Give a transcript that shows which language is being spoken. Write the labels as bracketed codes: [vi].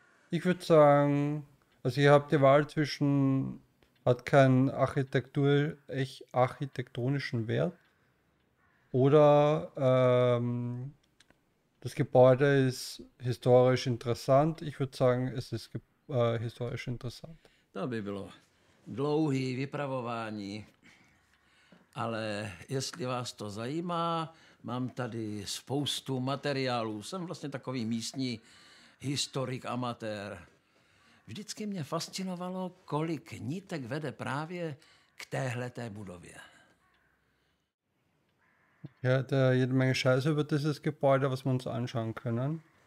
[de] Ich würde sagen, also ihr habt die Wahl zwischen, hat keinen architektonischen Wert oder das Gebäude ist historisch interessant. Ich würde sagen, es ist historisch interessant. Da Bibel. [cs] Dlouhý vypravování, ale jestli vás to zajímá, mám tady spoustu materiálů. Jsem vlastně takový místní historik amatér. Vždycky mě fascinovalo, kolik nitek vede právě k téhleté budově. [de] Ja, da jede Menge Scheiße über dieses Gebäude, was wir uns anschauen können.